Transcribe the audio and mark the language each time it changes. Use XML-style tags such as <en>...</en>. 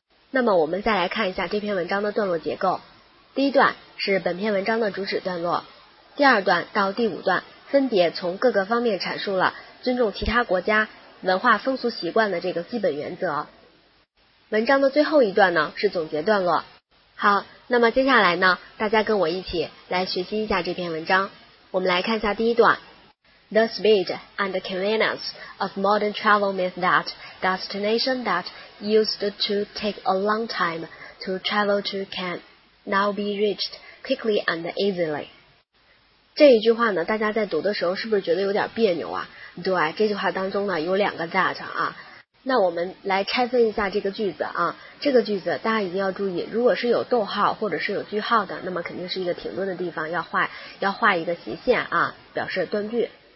<zh>那么我们再来看一下这篇文章的段落结构。第一段是本篇文章的主旨段落，第二段到第五段分别从各个方面阐述了尊重其他国家文化风俗习惯的这个基本原则。文章的最后一段呢是总结段落。好，那么接下来呢，大家跟我一起来学习一下这篇文章。我们来看一下第一段。</zh> <en>The speed and convenience of modern travel means that destination that used to take a long time to travel to can now be reached quickly and easily。</en> <zh>这一句话呢，大家在读的时候是不是觉得有点别扭啊？对，这句话当中呢有两个 that 啊。那我们来拆分一下这个句子啊，这个句子大家一定要注意，如果是有逗号或者是有句号的，那么肯定是一个停顿的地方，要画一个斜线啊，表示断句。</zh>